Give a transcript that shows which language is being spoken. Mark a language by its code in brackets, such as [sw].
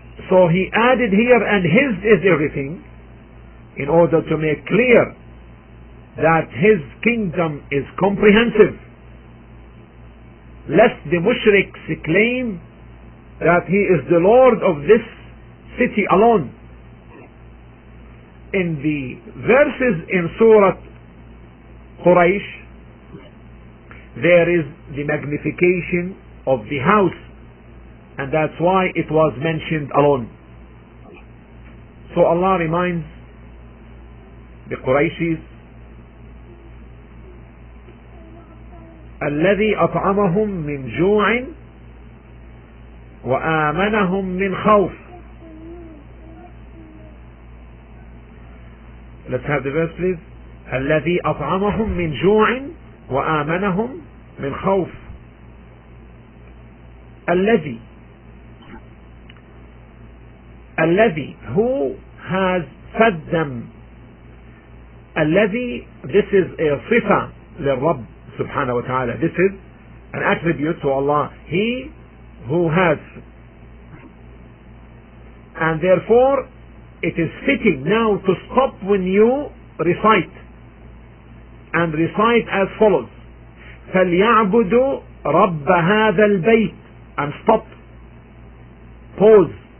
[en] So he added here, and his is everything, in order to make clear that his kingdom is comprehensive, lest the mushriks claim that he is the Lord of this city alone. In the verses in Surah Quraysh, there is the magnification of the house, and that's why it was mentioned alone. So Allah reminds the Quraysh's, [ar] الذي أطعمهم من جوع وآمنهم من خوف. [en] Let's have the verse please. [ar] الذي أطعمهم من جوع وآمنهم من خوف. [en] الذي who has fed them. [ar] الذي, [en] this is a [ar] صفة للرب سبحانه وتعالى. [en] This is an attribute to Allah. He who has, and therefore it is fitting now to stop when you recite, and recite as follows: [ar] فَلْيَعْبُدُ رَبَّ هَذَا الْبَيْتِ, [en] and stop, pause.